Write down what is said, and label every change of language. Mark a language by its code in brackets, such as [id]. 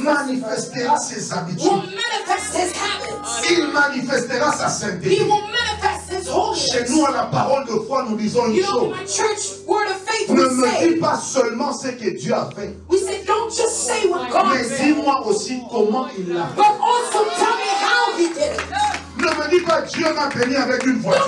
[fr] manifestera ses habitudes. [en] Will manifest his habits. [fr] Il manifestera sa sainteté. [en] He will manifest his holiness. [fr] Chez nous, à la parole de foi, nous disons une chose. [en] My church, word of [fr] ne me dis pas seulement ce que Dieu a fait. [en] We say, don't just say what God [fr] mais dis-moi aussi comment il l'a fait. [en] But also tell me how he did it. [fr] Ne me dis pas Dieu m'a béni avec une voiture.